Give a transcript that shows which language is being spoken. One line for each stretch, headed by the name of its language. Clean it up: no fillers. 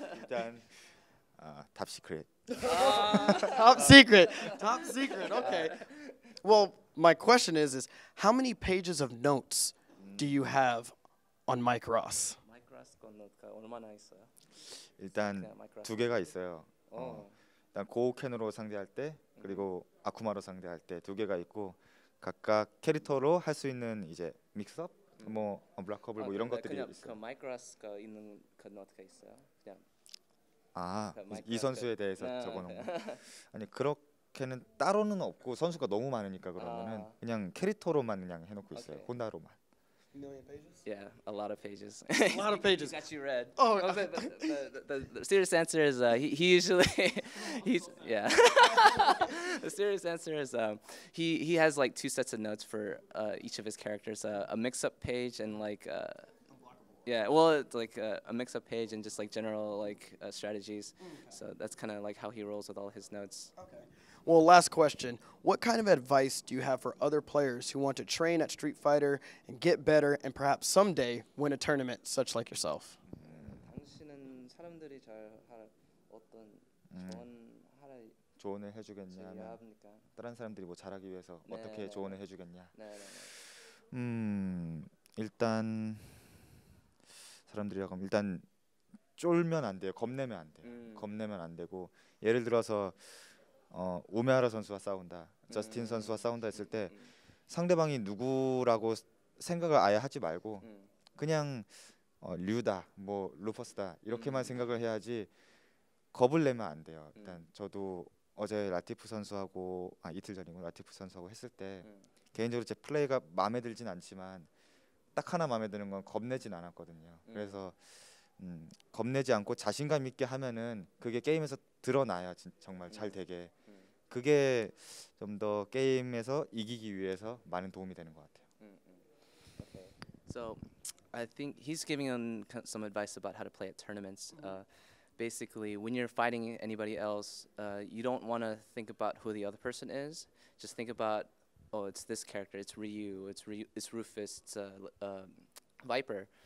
English: 일단, top secret. top secret. Top secret. Okay. Well, My question is how many pages of notes do you have on Mike Ross?
Korean: Mike Ross 건 노트가 얼마나 있어요? 일단 두 개가 있어요. 일단 고우켄으로 상대할 때 그리고 아쿠마로 상대할 때 두 개가 있고 각각 캐릭터로 할 수 있는 이제 믹스업 뭐 언블락커블 뭐 이런 것들이 그냥 있어요. 그 마이크 러스가 있는 그 노트가 있어요. 그냥 아, 그 이 선수에 대해서 아, 적어 놓은 거. 아니, 그렇게는 따로는 없고 선수가 너무 많으니까 그러면은 아. 그냥 캐릭터로만 그냥 해 놓고 있어요. 혼나로만.
English: Okay. Million pages? Yeah, a lot of pages. A lot of pages. He got you read. Oh, the serious answer is he usually he's yeah. The serious answer is he has like two sets of notes for each of his characters, a mix-up page and like a mix-up page and just like general like strategies. Okay. So that's kind of like how he rolls with all his notes. Okay. Well, last question. What kind of advice do you have for other players who want to train at Street Fighter and get better and perhaps someday win a tournament such like yourself?
Korean: 당신은 사람들이 잘 할 어떤 좋은 조언을 해주겠냐 하면 다른 사람들이 뭐 잘하기 위해서 네, 어떻게 네, 조언을 네. 해주겠냐 네, 네, 네. 일단 사람들이라고 하면 일단 쫄면 안 돼요. 겁내면 안 돼요. 겁내면 안 되고 예를 들어서 우메하라 선수와 싸운다 저스틴 선수와 싸운다 했을 때 상대방이 누구라고 생각을 아예 하지 말고 그냥 류다 뭐 루퍼스다 이렇게만 생각을 해야지 겁을 내면 안 돼요. 일단 저도 어제 라티프 선수하고 이틀 전이고 라티프 선수하고 했을 때 개인적으로 제 플레이가 마음에 들진 않지만 딱 하나 마음에 드는 건 겁내진 않았거든요. 그래서 겁내지 않고 자신감 있게 하면은 그게 게임에서 드러나야 정말 잘 되게 그게 좀 더 게임에서 이기기 위해서 많은 도움이 되는 것 같아요.
English: Okay. So I think he's giving him some advice about how to play at tournaments. Basically, when you're fighting anybody else, you don't want to think about who the other person is. Just think about, oh, it's this character, it's Ryu, it's Rufus, it's Viper.